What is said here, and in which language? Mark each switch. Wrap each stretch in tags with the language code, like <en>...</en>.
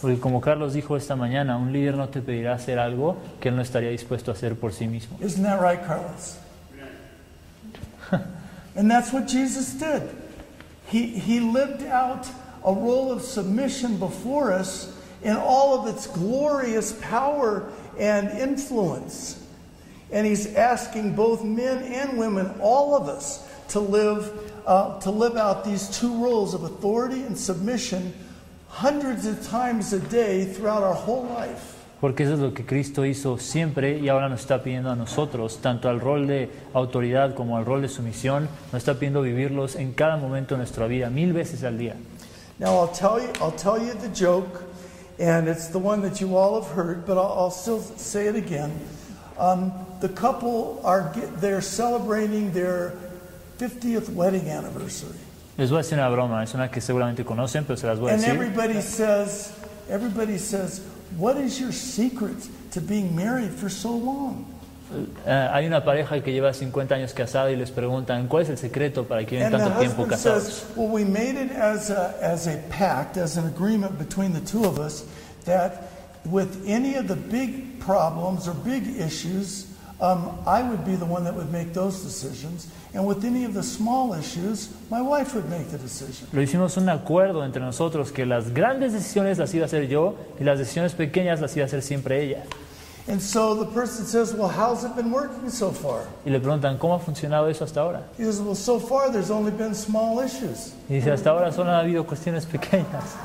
<es>Porque como Carlos dijo esta mañana, un líder no te pedirá hacer algo que él no estaría dispuesto a hacer por sí mismo.</es> <en>Isn't that right, Carlos? And that's what Jesus did. He lived out a role of submission before us in all of its glorious power and influence. And he's asking both men and women, all of us, to live out these two roles of authority and submission hundreds of times a day throughout our whole life.</en> <es>Porque eso es lo que Cristo hizo siempre y ahora nos está pidiendo a nosotros, tanto al rol de autoridad como al rol de sumisión, nos está pidiendo vivirlos en cada momento de nuestra vida, mil veces al día.</es> <en>Now I'll tell you the joke, and it's the one that you all have heard, but I'll still say it again. The couple they're celebrating their 50th wedding anniversary.</en> <es>Les voy a decir una broma, es una que seguramente conocen, pero se las voy a decir.</es> <en>And everybody says, what is your secret to being married for so long?</en> <es>Hay una pareja que lleva 50 años casada y les preguntan, ¿cuál es el secreto para que lleven tanto tiempo casados?</es> <en>And the husband says, well, we made it as a pact, as an agreement between the two of us, that with any of the big problems or big issues, I would be the one that would make those decisions. And with any of the small issues, my wife would make the decision.</en> <es>Lo hicimos un acuerdo entre nosotros que las grandes decisiones las iba a hacer yo y las decisiones pequeñas las iba a hacer siempre ella.</es> <en>And so the person says, well, how's it been working so far?</en> <es>Y le preguntan, ¿cómo ha funcionado eso hasta ahora?</es> <en>He says, well, so far there's only been small issues.</en> <es>Y dice, hasta ahora solo ha habido cuestiones pequeñas.</es>